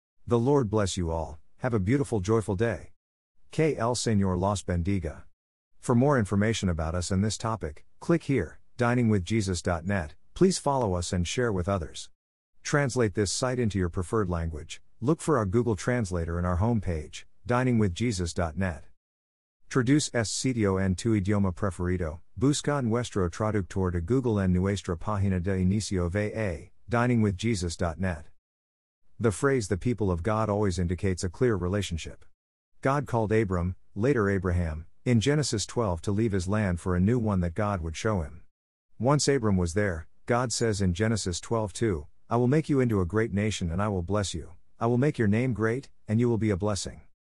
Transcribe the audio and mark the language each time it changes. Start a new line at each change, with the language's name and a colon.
English: The Lord bless you all, have a beautiful, joyful day.
Spanish: Que el Señor los bendiga.
English: For more information about us and this topic, click here, diningwithjesus.net, please follow us and share with others. Translate this site into your preferred language, look for our Google Translator in our homepage, diningwithjesus.net.
Spanish: Traduce este sitio en tu idioma preferido, busca nuestro traductor de Google en nuestra página de inicio VA, diningwithjesus.net.
English: The phrase "the people of God" always indicates a clear relationship. God called Abram, later Abraham, in Genesis 12 to leave his land for a new one that God would show him. Once Abram was there, God says in Genesis 12:2, "I will make you into a great nation and I will bless you, I will make your name great, and you will be a blessing."